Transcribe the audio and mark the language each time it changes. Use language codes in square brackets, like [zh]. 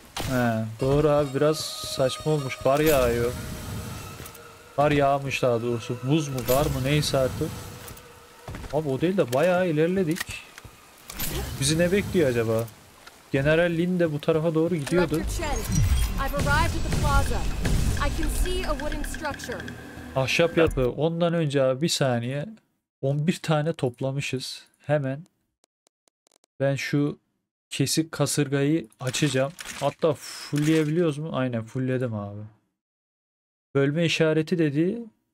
[tr] He, doğru abi biraz saçma olmuş. Kar yağıyor. Kar yağmış daha doğrusu. Buz mu, kar mı neyse artık. Abi o değil de bayağı ilerledik. Bizi ne bekliyor acaba? General Lin de bu tarafa doğru gidiyordu. [en] I can see a wooden structure. [tr] Ahşap yapı. Ondan önce abi bir saniye. 11 tane toplamışız. Hemen ben şu kesik kasırgayı açacağım. Hatta fullleyebiliyoruz mu? Aynen fullledim abi. Bölme işareti dedi.